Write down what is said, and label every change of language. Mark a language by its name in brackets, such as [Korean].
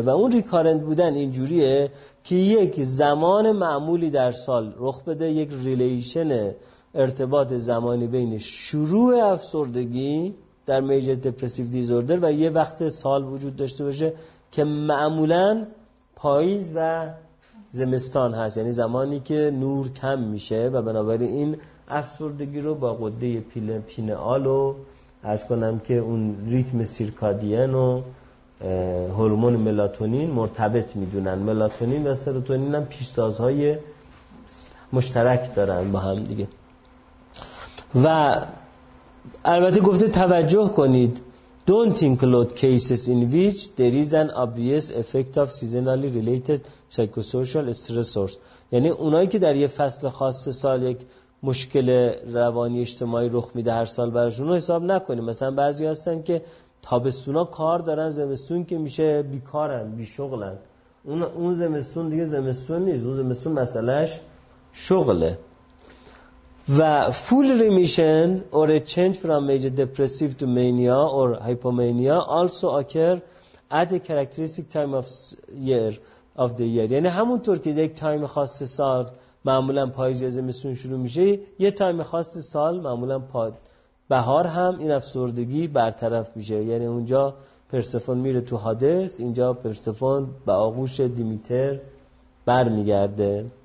[Persian] و اون ریکارنت بودن اینجوریه که یک زمان معمولی در سال رخ بده، یک ریلیشن ارتباط زمانی بین شروع افسردگی در میجر دپرسیو دیزوردر و یه وقت سال وجود داشته باشه که معمولا پاییز و زمستان هست، یعنی زمانی که نور کم میشه و بنابراین این افسردگی رو با قده پینئال و عرض کنم که اون ریتم سیرکادین و هورمون ملاتونین مرتبط میدونن. ملاتونین و سروتونین هم پیشسازهای مشترک دارن با هم دیگه. و البته گفته توجه کنید [English] don't include cases in which there is an obvious effect of seasonally related psychosocial stressors. [Persian] یعنی اونایی که در یه فصل خاص سال یک مشکل روانی اجتماعی رخ میده هر سال براشون رو حساب نکنیم. مثلا بعضی هستن که تابستونا کار دارن، زمستون که میشه بیکارن بیشغلن. اون زمستون دیگه زمستون نیست، اون زمستون مسئلهش شغله. [English] و full remission or a change from major depressive to mania or hypomania also occur at a characteristic time of year of the year. [Persian] یعنی همونطور که یک تایم خاص سال معمولا پاییز یا زمستون شروع میشه، یه تایم خاص سال معمولا بهار هم این افسردگی برطرف میشه. یعنی اونجا پرسفون میره تو هادس، اینجا پرسفون به آغوش دیمیتر بر میگرده.